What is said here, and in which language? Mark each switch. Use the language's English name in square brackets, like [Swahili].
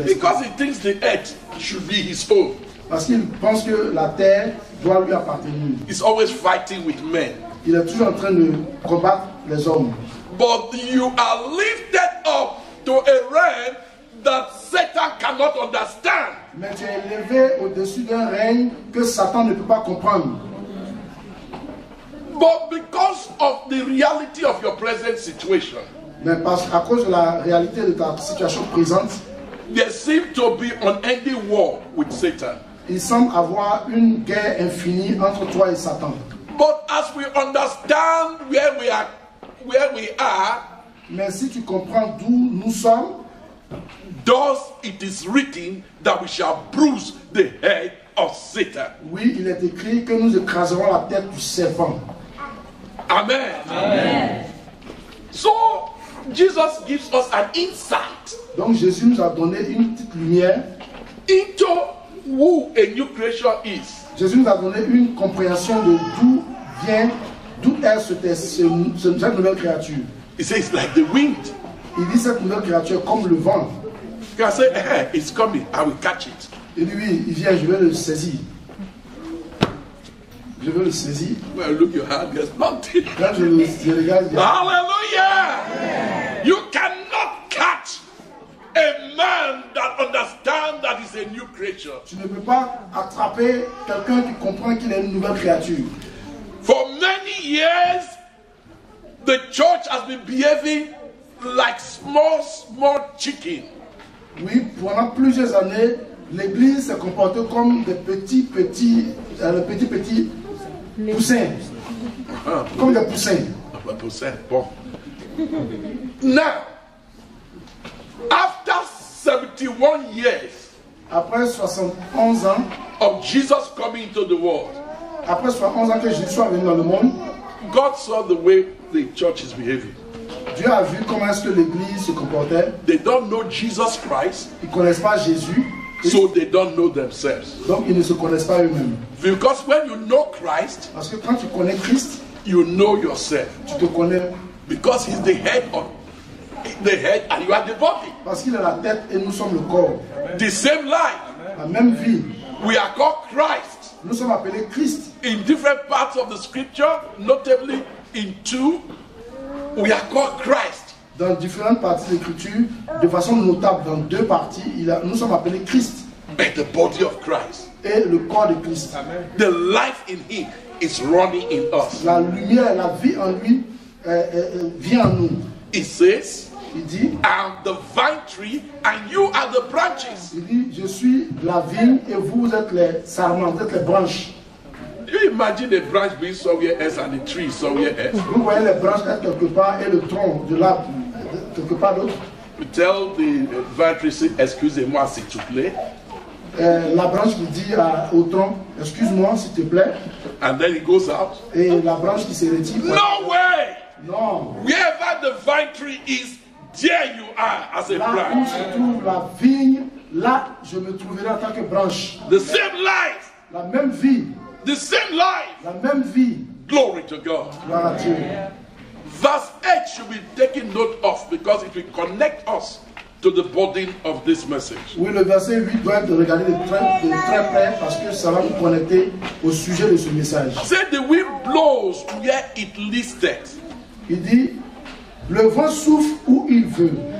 [English] Because he thinks the earth should be his own. [French] Parce qu'il pense que la terre doit lui appartenir. [English] He's always fighting with men. [French] Il est toujours en train de combattre les hommes. [English] But you are lifted up to a realm that Satan cannot understand. [French] Mais tu es élevé au-dessus d'un règne que Satan ne peut pas comprendre. [English] But because of the reality of your present situation. [French] Mais parce à cause de la réalité de ta situation présente. [English] There seems to be an unending war with Satan. [French] Il semble avoir une guerre infinie entre toi et Satan. [English] But as we understand where we are, [French] mais si tu comprends d'où nous sommes, [English] thus it is written that we shall bruise the head of Satan. [French] Oui, il est écrit que nous écraserons la tête du serpent. [English] Amen. Amen. So Jesus gives us an insight. [French] Donc Jésus nous a donné une petite lumière [English] into who a new creature is. [French] Jésus nous a donné une compréhension de d'où vient, d'où est cette nouvelle créature. [English] He says like the wind. [French] Il dit cette nouvelle créature comme le vent. [English] He says, hey, it's coming. I will catch it. [French] Et lui, il vient, je vais le saisir. Je vais le saisir. [English] Well, look your hand, there's nothing. [French] Quand je regarde, [English] yeah. Hallelujah! Yeah. You cannot catch a man that understands that he's a new creature. [French] Tu ne peux pas attraper quelqu'un qui comprend qu'il est une nouvelle créature. [English] For many years, the church has been behaving like small chicken. [French] Oui, pendant plusieurs années, l'église s'est comportée comme des petits poussins. Comme des poussins. Un poussin, bon. [English] Now, after 71 years, [French] après 71 ans [English] of Jesus coming into the world, [French] après 71 ans que Jésus soit venu dans le monde, [English] God saw the way the church is behaving. [French] Dieu a vu comment est-ce que l'église se comportait. [English] They don't know Jesus Christ. [French] Ils connaissent pas Jésus. [English] So they don't know themselves. [French] Donc ils ne se connaissent pas eux-mêmes. [English] Because when you know Christ, [French] parce que quand tu connais Christ, [English] you know yourself. [French] Tu te connais. [English] Because he's the head of the head and you are the body. [French] Parce qu'il est la tête et nous sommes le corps. [English] The same life. [French] La même vie. [English] We are called Christ. [French] Nous sommes appelés Christ. [English] In different parts of the scripture, notably in 2, we are called Christ. [French] Dans différentes parties de l'écriture, de façon notable, dans deux parties, nous sommes appelés Christ. [English] And the body of Christ. [French] Et le corps de Christ. [English] Amen. The life in him is running in us. [French] La lumière, la vie en lui vient en nous. [English] It says, [French] il dit, [English] I am the vine tree and you are the branches. [French] Il dit, je suis la vigne et vous êtes les sarments, vous êtes les branches. [English] You imagine a branch being somewhere else and a tree somewhere else. [French] Vous voyez les branches être quelque part et le tronc de l'arbre quelque part d'autre. [English] You tell the vine tree, [French] excusez-moi s'il te plaît. La branche lui dit au tronc, excuse-moi s'il te plaît. [English] And then it goes out. [French] Et la branche qui se retire. [English] No way. [French] Non. [English] Wherever the vine tree is, there you are as a [French] là [English] branch. [French] Là où se trouve la vigne, là je me trouverai en tant que branche. [English] The same light. [French] La même vie. [English] The same life. [French] La même vie. [English] Glory to God. [French] Gloire à Dieu. [English] Verse 8 should be taken note of because it will connect us to the body of this message. [French] Oui, le verset 8 doit être regardé de très près parce que ça va nous connecter au sujet de ce message. [English] Said the wind blows where it listeth. [French] Il dit, le vent souffle où il veut.